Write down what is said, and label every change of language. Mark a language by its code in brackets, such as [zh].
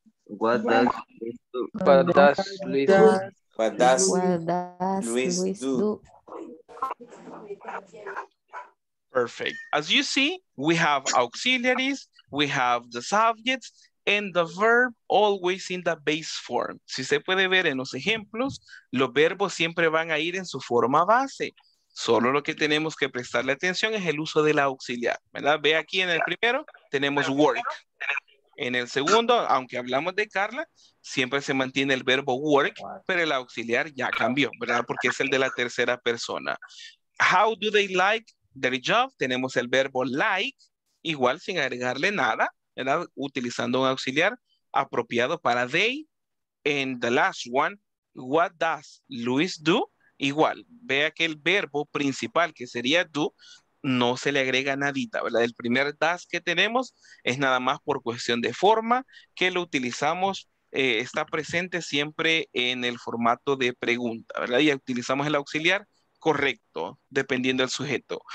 [en] What does Luis do? Perfect. As you see, we have auxiliaries, we have the subjects, and the verb always in the base form. [es] Si se puede ver en los ejemplos, los verbos siempre van a ir en su forma base. Solo lo que tenemos que prestarle atención es el uso de la auxiliar, ¿verdad? Ve aquí en el primero, tenemos work. En el segundo, aunque hablamos de Carla, siempre se mantiene el verbo work, pero el auxiliar ya cambió, ¿verdad? Porque es el de la tercera persona. [en] How do they like their job? [es] Tenemos el verbo like, igual sin agregarle nada, ¿verdad? Utilizando un auxiliar apropiado para they. [en] And the last one, what does Luis do? [es] Igual, vea que el verbo principal, que sería do, no se le agrega nadita, ¿verdad? El primer does que tenemos es nada más por cuestión de forma, que lo utilizamos, está presente siempre en el formato de pregunta, ¿verdad? Y utilizamos el auxiliar correcto, dependiendo del sujeto.